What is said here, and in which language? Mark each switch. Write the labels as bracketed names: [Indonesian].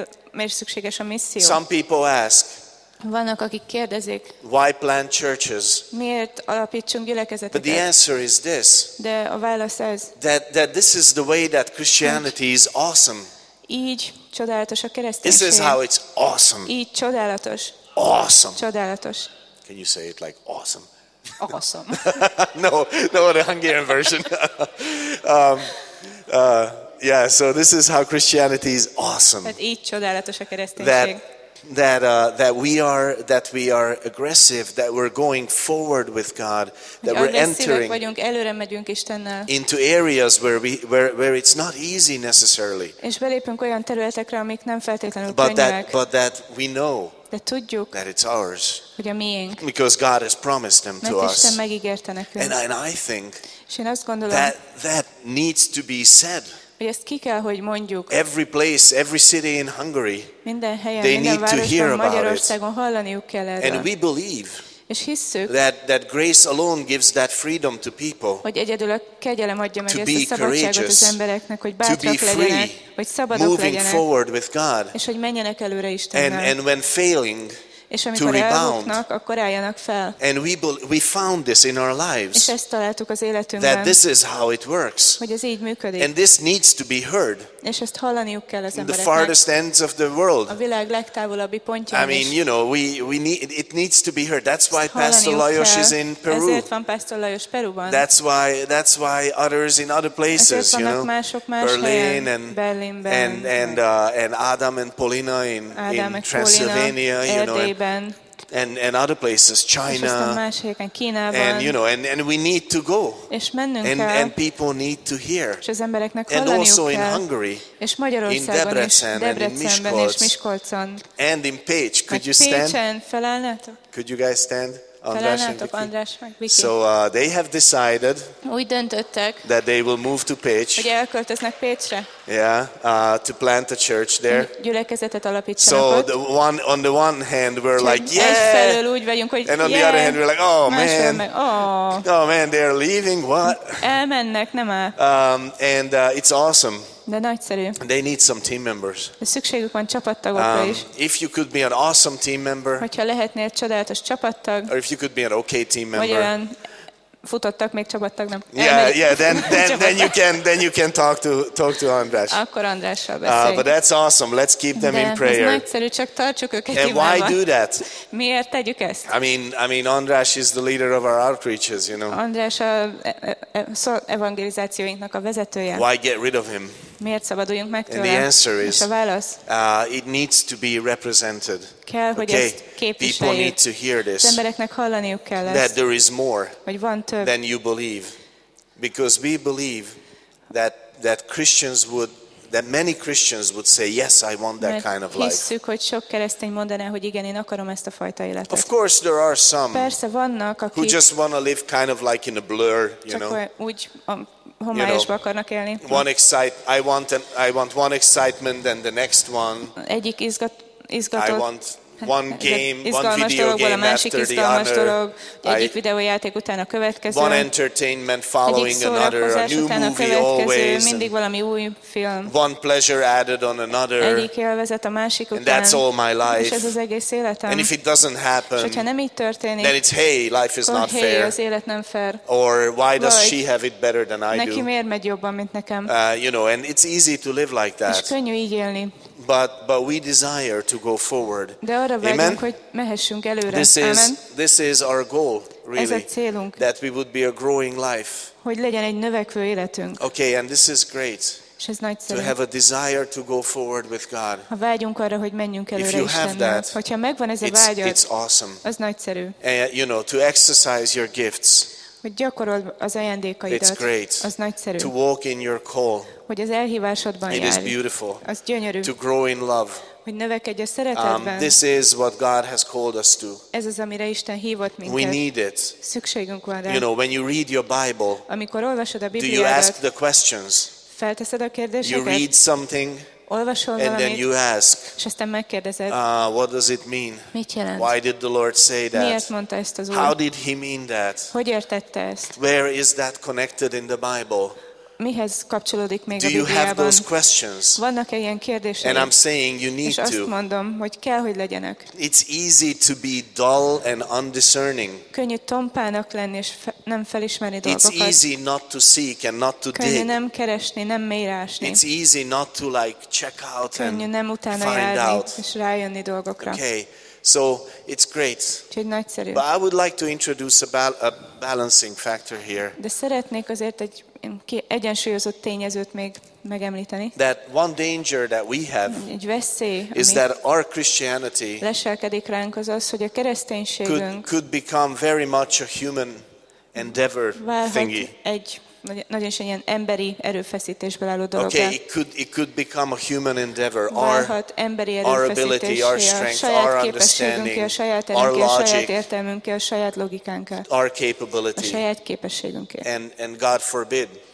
[Hungarian] Miért szükséges a misszió? [English] Some people ask. [Hungarian] Vannak, akik kérdezik. [English] Why plant churches? [Hungarian] Miért alapítsunk gyülekezeteket? [English] But the answer is this. [Hungarian] De a válasz ez. [English] That this is the way that Christianity is awesome. [Hungarian] Így csodálatos a kereszténység. [English] This is how it's awesome. [Hungarian] Így csodálatos. [English] Awesome. [Hungarian] Csodálatos. [English] Can you say it like awesome? Awesome. No, the Hungarian version. Yeah, so this is how Christianity is awesome. [Hungarian] Hát így csodálatos a kereszténység. [English] That that we are aggressive, that we're going forward with God, that we're entering [Hungarian] vagyunk, előre megyünk Istennel, [English] into areas where it's not easy necessarily. [Hungarian] És belépünk olyan területekre, amik nem feltétlenül [English] könnyűek. But that we know [Hungarian] de tudjuk, [English] that it's ours, [Hungarian] hogy a miénk, [English] because God has promised them to [Hungarian] Isten [English] us. [Hungarian] Megígérte nekünk. [English] And I think [Hungarian] gondolom, [English] that needs to be said. [Hungarian] Hogy ezt ki kell, hogy mondjuk. [English] Every place, every city in Hungary, [Hungarian] minden helyen, [English] they need to hear [Hungarian] Magyarországon [English] about [Hungarian] hallaniuk kell erről. [English] And we believe [Hungarian] és hisszük, [English] that grace alone gives that freedom to people, [Hungarian] hogy egyedül a kegyelem adja meg ezt a szabadságot az embereknek, hogy bátrak legyenek, hogy szabadok [English] moving [Hungarian] legyenek, [English] forward with God, [Hungarian] és hogy menjenek előre Istennel. [English] And when failing, [Hungarian] és amikor elbuknak, akkor álljanak fel. [English] And we found this in our lives, [Hungarian] és ezt találtuk az életünkben, [English] that this is how it works, [Hungarian] hogy ez így működik. [English] And this needs to be heard, [Hungarian] és ezt hallaniuk kell az embereknek, [English] the farthest ends of the world, [Hungarian] a világ legtávolabbi pontján is. [English] I mean, you know, we need, it needs to be heard. That's why Pastor Lajos is in Peru. [Hungarian] Ezért van Pastor Lajos Perúban. [English] That's why others in other places, you know, [Hungarian] mások más Berlin helyen, [English] and Berlinben, and Adam and Paulina in Transylvania, you know, and other places, China, and you know, and we need to go, and people need to hear, and also in Hungary, in Debrecen, and in Miskolc, and in Pécs. Could you stand? Could you guys stand? [Hungarian] András meg Viki. [English] So they have decided that they will move to Pécs. [Hungarian] Hogy elköltöznek Pécsre. [English] Yeah, to plant a church there. [Hungarian] Gyülekezetet alapítsanak. [English] So on the one hand we're like, yeah. [Hungarian] Egyfelől úgy vagyunk, hogy [English] yeah. And on the other hand we're like, oh man. Oh man, they're leaving, what? [Hungarian] Elmennek, nem áll. [English] It's awesome. [Hungarian] De nagyszerű. [English] They need some team members. [Hungarian] De szükségük van csapattagokra is. [English] If you could be an awesome team member. [Hungarian] Hogyha lehetnél csodálatos csapattag. [English] Or if you could be an okay team member. [Hungarian] Vagy olyan futottak még csapattag nem. [English] Yeah, then you can talk to András. [Hungarian] Akkor Andrással beszélj. [English] But that's awesome. Let's keep them in prayer. [Hungarian] De nagyszerű, csak tartsuk őket imában. [English] And why do that? [Hungarian] Miért tegyük ezt? [English] I mean András is the leader of our outreaches, you know. [Hungarian] András a evangelizációinknak a vezetője. [English] Why get rid of him? [Hungarian] Miért szabaduljunk meg tőle? [English] And the answer is, [Hungarian] a válasz, [English] it needs to be represented. [Hungarian] Kell, hogy [English] okay, [Hungarian] ezt képviseljük. [English] People need to hear this. [Hungarian] Az embereknek hallaniuk kell ezt. [English] That there is more, [Hungarian] hogy van több, [English] than you believe, because we believe that many Christians would say, yes, I want that kind of life. [Hungarian] Hisszük, hogy sok keresztény mondaná, hogy igen, én akarom ezt a fajta életet. [English] Of course there are some, [Hungarian] persze vannak, akik [English] who just want to live kind of like in a blur, you know. [Hungarian] Homályosba akarnak élni. [English] I want one excitement and the next one. [Hungarian] Egyik izgatott. [English] I want one game, one video game after the other. [Hungarian] Egyik videójáték után a következő. [English] One entertainment following another, a new movie always. [Hungarian] Mindig valami új film. [English] One pleasure added on another. [Hungarian] Egyik élvezet a másik után. [English] And that's all my life. [Hungarian] És ez az egész életem. [English] And if it doesn't happen, [Hungarian] hogyha nem így történik, [English] then it's hey, life is not fair. [Hungarian] Az élet nem fair. [English] Or why does she have it better than I do? [Hungarian] Neki miért megy jobban, mint nekem? [English] You know, and it's easy to live like that. [Hungarian] És könnyű így élni. [English] But we desire to go forward. [Hungarian] De arra vágyunk, hogy mehessünk előre. [English] This is our goal, really. [Hungarian] Ez a célunk. [English] That we would be a growing life. [Hungarian] Hogy legyen egy növekvő életünk. [English] Okay, and this is great. [Hungarian] És ez nagyszerű. [English] To have a desire to go forward with God. [Hungarian] Ha vágyunk arra, hogy menjünk előre Istennel. [English] If you have that, [Hungarian] hogyha megvan ez a vágyad, [English] it's awesome. [Hungarian] Az nagyszerű. [English] And, you know, to exercise your gifts. [Hungarian] Hogy gyakorol az ajándékaidat. [English] It's great. [Hungarian] Az nagyszerű. [English] To walk in your call. [Hungarian] Hogy az elhívásodban járj. [English] It is beautiful. [Hungarian] Az gyönyörű. [English] To grow in love. [Hungarian] Hogy növekedj a szeretetben. [English] This is what God has called us to. [Hungarian] Ez az, amire Isten hívott minket. [English] We need it. [Hungarian] Szükségünk van rá. [English] You know, when you read your Bible, [Hungarian] amikor olvasod a Bibliádat, [English] do you ask the questions? [Hungarian] Felteszed a kérdéseket? [English] You read something, [Hungarian] olvasol [English] and [Hungarian] valamit, [English] then you ask, [Hungarian] és aztán megkérdezed, [English] what does it mean? [Hungarian] Mit jelent? [English] Why did the Lord say that? [Hungarian] Miért mondta ezt az Úr? [English] How did he mean that? [Hungarian] Hogy értette ezt? [English] Where is that connected in the Bible? [Hungarian] Mihez kapcsolódik még [English] a Bibliában? Do you have those questions? [Hungarian] Vannak-e ilyen kérdések? [English] And I'm saying you need to. [Hungarian] És azt mondom, hogy kell, hogy legyenek. [English] It's easy to be dull and undiscerning. [Hungarian] Könnyű tompának lenni és nem felismerni dolgokat. [English] It's easy not to seek and not to dig. [Hungarian] Könnyű nem keresni, nem mélyrásni. [English] It's easy not to like check out and [Hungarian] könnyű nem utána járni és rájönni dolgokra. [English] Okay. So it's great. [Hungarian] Nagyszerű. [English] But I would like to introduce a balancing factor here. [Hungarian] De szeretnék azért egy egyensúlyozott tényezőt még megemlíteni. [English] That one danger that we have is that our Christianity [Hungarian] leselkedik ránk az, hogy a kereszténységünk [English] could become very much a human endeavor thingy. [Hungarian] Egy nagyon is egy ilyen emberi erőfeszítésből álló dolog. [English] Okay, it could become a human endeavor. [Hungarian] Válhat emberi erőfeszítésé, [English] our strength, our understanding, [Hungarian] a saját logic, a saját értelmünké, a saját logikánká, [English] our capability, [Hungarian] a saját képességünké. [English] And God forbid,